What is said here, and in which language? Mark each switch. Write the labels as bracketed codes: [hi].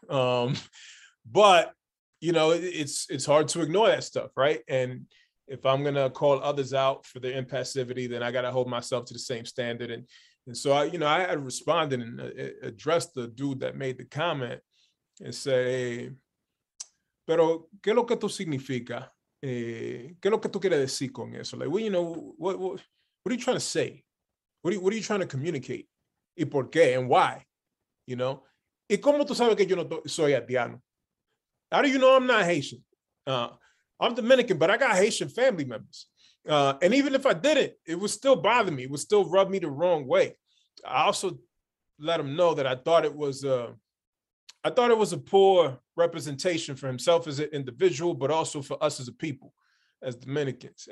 [en] But you know, it's hard to ignore that stuff, right? And if I'm gonna call others out for their impassivity, then I gotta hold myself to the same standard. And so I had responded and addressed the dude that made the comment and say, "Hey, [es] pero qué lo que tú significa? Qué lo que tú quieres decir con eso? [en] Like, well, you know, what are you trying to say? What are you trying to communicate? [es] ¿Y por qué? [en] And why? You know? [es] ¿Y cómo tú sabes que yo no soy Haitiano? [en] How do you know I'm not Haitian? I'm Dominican, but I got Haitian family members. And even if I didn't, it would still bother me. It would still rub me the wrong way. I also let him know that I thought it was a poor representation for himself as an individual, but also for us as a people, as Dominicans.